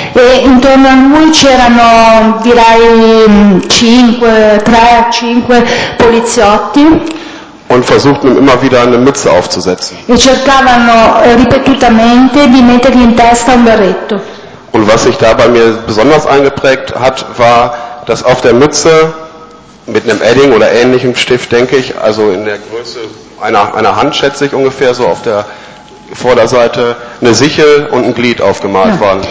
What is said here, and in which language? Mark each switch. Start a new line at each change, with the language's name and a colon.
Italian: E intorno a lui c'erano direi 3 a 5 poliziotti.
German: Und versuchten ihm immer wieder eine Mütze aufzusetzen.
Italian: E cercavano ripetutamente di mettergli in testa un berretto.
German: Und was sich da bei mir besonders eingeprägt hat, war, dass auf der Mütze mit einem Edding oder ähnlichem Stift, denke ich, also in der Größe einer Hand, schätze ich ungefähr, so auf der Vorderseite, eine Sichel und ein Glied aufgemalt waren,